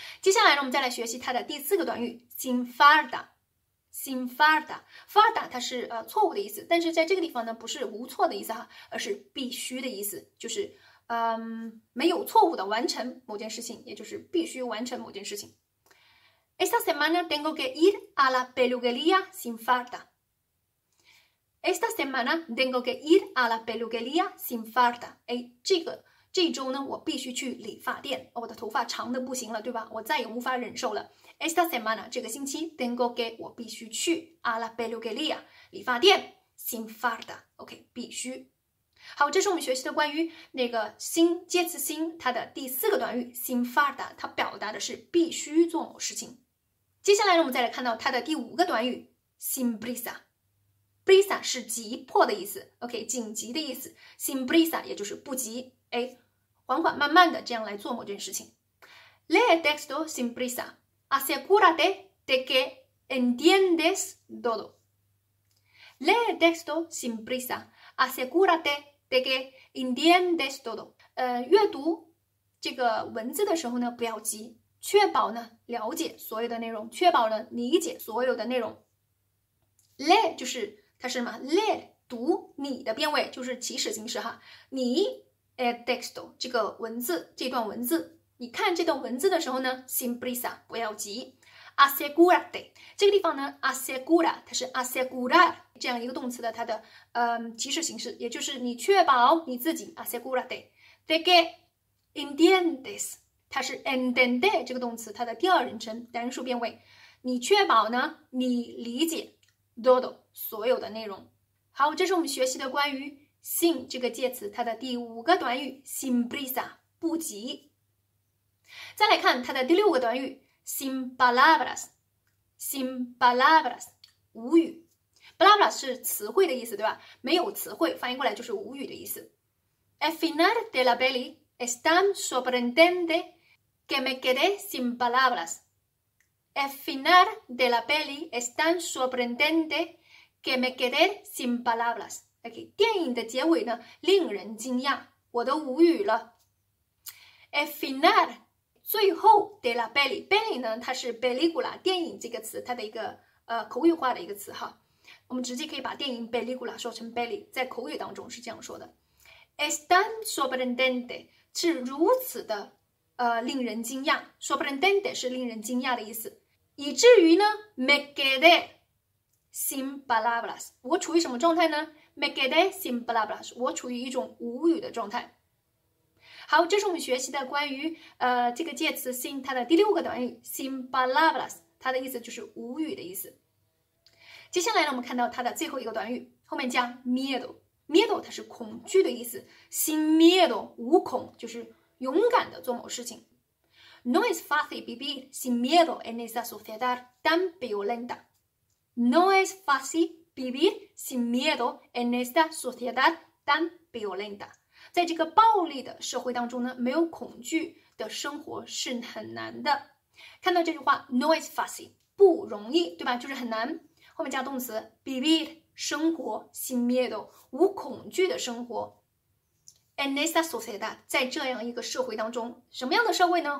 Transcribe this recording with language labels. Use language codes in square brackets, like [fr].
[zh] 接下来呢，我们再来学习它的第四个短语 sin falda。 sin falda， falda 它是错误的意思，但是在这个地方呢，不是无错的意思哈，而是必须的意思，就是没有错误的完成某件事情，也就是必须完成某件事情。 [es] Esta semana tengo que ir a la peluquería sin falda. Esta semana tengo que ir a la peluquería sin falda。 [zh] 哎，这个这周呢，我必须去理发店。哦，我的头发长的不行了，对吧？我再也无法忍受了。 [es] Esta semana [zh] 这个星期 [es] tengo que [zh] 我必须去 [es] a la peluquería [zh] 理发店 [es] sin falta。 [zh] OK， 必须。好，这是我们学习的关于那个sin介词sin它的第四个短语 sin falta， 它表达的是必须做某事情。接下来呢，我们再来看到它的第五个短语 sin prisa。 Prisa 是急迫的意思 ，OK， 紧急的意思。Sin prisa 也就是不急，哎，缓缓慢慢的这样来做某件事情。 [es] Lee texto sin prisa. Asegúrate de que entiendes todo. Lee texto sin prisa. Asegúrate de que entiendes todo. [zh] 阅读这个文字的时候呢，不要急，确保呢了解所有的内容，确保呢理解所有的内容。 Lee 就是。它是什么 ？le 读你的变位，就是祈使形式哈。你 [es] el texto [zh] 这个文字，这段文字，你看这段文字的时候呢 ，sin prisa 不要急 ，asegúrate 这个地方呢 ，asegura 它是 asegurar 这样一个动词的它的祈使形式，也就是你确保你自己 [es] asegúrate de que entiendes [zh] 它是 entiende 这个动词它的第二人称单数变位，你确保呢你理解。 todo 所有的内容。好，这是我们学习的关于 sin 这个介词它的第五个短语 sin prisa 不急。再来看它的第六个短语 sin palabras， sin palabras 无语。 palabras 是词汇的意思，对吧？没有词汇，翻译过来就是无语的意思。 [es] El final de la peli es tan sorprendente que me quedé sin palabras. El final de la peli es tan sorprendente que me quedé sin palabras. [zh] OK， 电影的结尾呢，令人惊讶，我都无语了。 [es] El final， [zh] 最后 [es] de la peli， [zh] peli 呢，它是 película 电影这个词，它的一个口语化的一个词哈。我们直接可以把电影 película 说成 peli， 在口语当中是这样说的。 [es] Es tan sorprendente [zh] 是如此的。令人惊讶 ，sorprendente 是令人惊讶的意思，以至于呢 ， [es] me quedé sin palabras， [zh] 我处于什么状态呢 ？me quedé sin palabras， 我处于一种无语的状态。好，这是我们学习的关于这个介词 sin 它的第六个短语 sin palabras， 它的意思就是无语的意思。接下来呢，我们看到它的最后一个短语，后面加 miedo，miedo 它是恐惧的意思 ，sin miedo 无恐就是。勇敢的做某事情。 [es] No es fácil vivir sin miedo en esa sociedad tan violenta. No es fácil vivir sin miedo en esa sociedad tan violenta. [zh] 在这个暴力的社会当中呢，没有恐惧的生活是很难的。看到这句话 ， [es] No es fácil， [zh] 不容易，对吧？就是很难。后面加动词 [es] vivir， [zh] 生活 sin miedo， 无恐惧的生活。 [es] En esta sociedad， [zh] 在这样一个社会当中，什么样的社会呢？